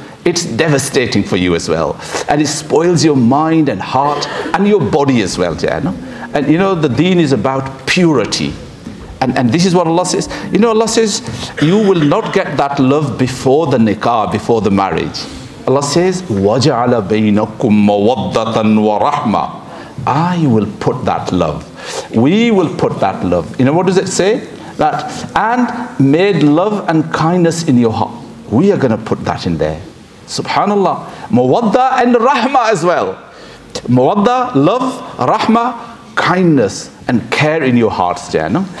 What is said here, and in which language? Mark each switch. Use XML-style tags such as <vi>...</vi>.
<en>It's devastating for you as well. And it spoils your mind and heart and your body as well, yeah, no? And you know, the deen is about purity. And this is what Allah says. You know, Allah says, you will not get that love before the nikah, before the marriage. Allah says,</en> <ar>وَجَعَلَ بَيْنَكُم مَوَدَّةً وَرَحْمَةً.</ar> <en>I will put that love. We will put that love. You know, what does it say? That, and made love and kindness in your heart. We are going to put that in there. Subhanallah. Mawadda and Rahma as well. Mawadda, love, Rahma, kindness and care in your hearts, Jana.</en>